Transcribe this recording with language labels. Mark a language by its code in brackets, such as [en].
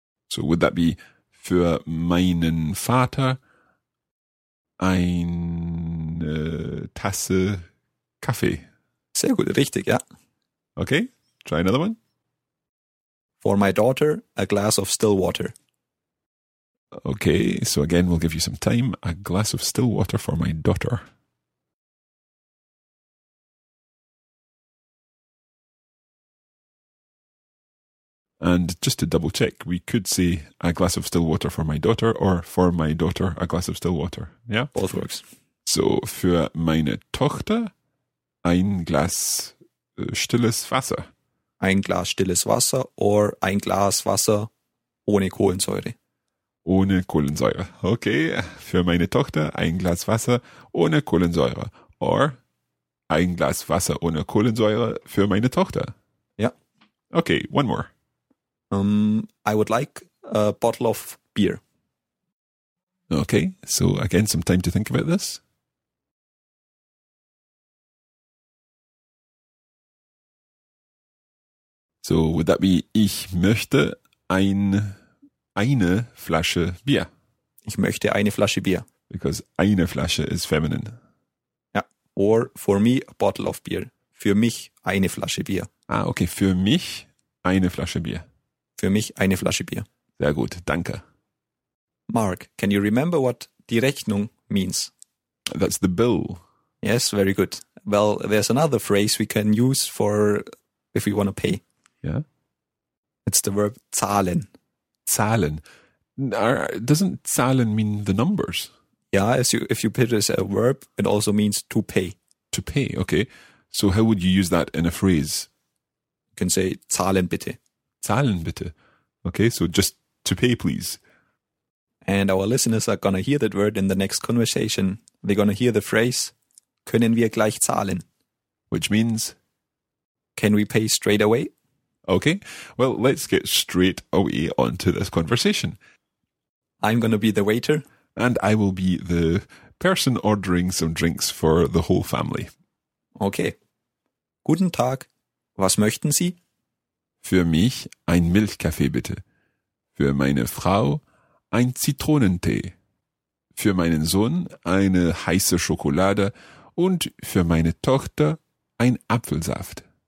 [en] So would that be [de] für meinen Vater eine Tasse Kaffee? Sehr gut, richtig, ja. [en] Okay, try another one. For my daughter, a glass of still water. Okay, so again, we'll give you some time. A glass of still water for my daughter. And just to double check, we could say a glass of still water for my daughter or for my daughter, a glass of still water. Yeah? Both works. [de] So für meine Tochter, ein Glas stilles Wasser. Ein Glas stilles Wasser [en] or [de] ein Glas Wasser ohne Kohlensäure. Ohne Kohlensäure. Okay. Für meine Tochter, ein Glas Wasser ohne Kohlensäure. Or ein Glas Wasser ohne Kohlensäure für meine Tochter. Ja. [en] Okay, one more. I would like a bottle of beer. Okay, so again, some time to think about this. So would that be, [de] ich möchte eine Flasche Bier. Ich möchte eine Flasche Bier. [en] Because [de] eine Flasche [en] is feminine. Ja, or for me, a bottle of beer. [de] Für mich, eine Flasche Bier. Ah, okay, für mich, eine Flasche Bier. Für mich eine Flasche Bier. Sehr gut, danke. [en] Mark, can you remember what [de] die Rechnung [en] means? That's the bill. Yes, very good. Well, there's another phrase we can use for if we want to pay. Yeah? It's the verb zahlen. [de] Zahlen. [en] Doesn't zahlen mean the numbers? Yeah, if you put it as a verb, it also means to pay. To pay, okay. So how would you use that in a phrase? You can say [de] zahlen bitte. Zahlen bitte. [en] Okay, so just to pay, please. And our listeners are going to hear that word in the next conversation. They're going to hear the phrase, [de] können wir gleich zahlen? [en] Which means? Can we pay straight away? Okay, well, let's get straight away onto this conversation. I'm going to be the waiter. And I will be the person ordering some drinks for the whole family. [de] Okay. Guten Tag. Was möchten Sie? Für mich ein Milchkaffee, bitte. Für meine Frau ein Zitronentee. Für meinen Sohn eine heiße Schokolade und für meine Tochter ein Apfelsaft.